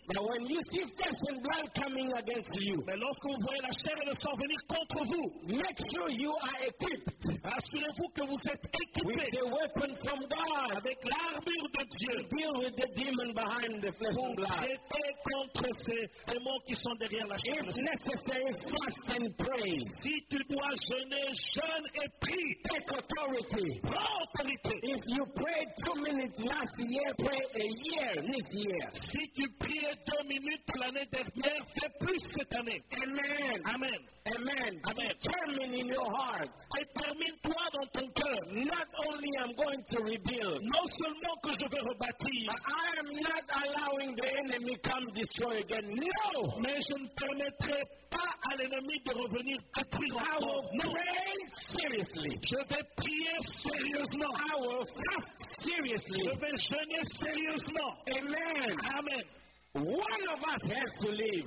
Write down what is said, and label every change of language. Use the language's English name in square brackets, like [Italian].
[English] But when you see flesh and blood coming against you. [French] Mais lorsque vous voyez la chair et le sang venir contre vous. [English] Make sure you are equipped. [French] Assurez-vous que vous êtes équipé. [English] With the weapon from God. [French] Avec l'armure de Dieu. [English] To deal with the demon behind the flesh and blood. [French] Lutter contre ces démons qui sont derrière la chair. [English] If necessary, fast and pray. [French] Si tu dois jeûner, jeûne et prie. [English] Take authority. [French] Prends autorité. [English] If you prayed 2 minutes last year, pray a year this year. [French] Si tu priais 2 minutes l'année dernière, fais plus cette année. [English] Amen. [French] Amen. [English] Amen. [French] Amen. [English] Determine in your heart. [French] Détermine-toi dans ton cœur. [English] Not only I'm going to rebuild. [French] Non seulement que je vais rebâtir. [English] I am not allowing the enemy come destroy again. No. [French] Mais je ne permettrai pas à l'ennemi de revenir détruire. [English] I will pray seriously. [French] Je vais prier sérieusement. [English] I will fast seriously. [French] Je vais jeûner sérieusement. [English] Amen. [French] Amen. [English] One of us has to leave.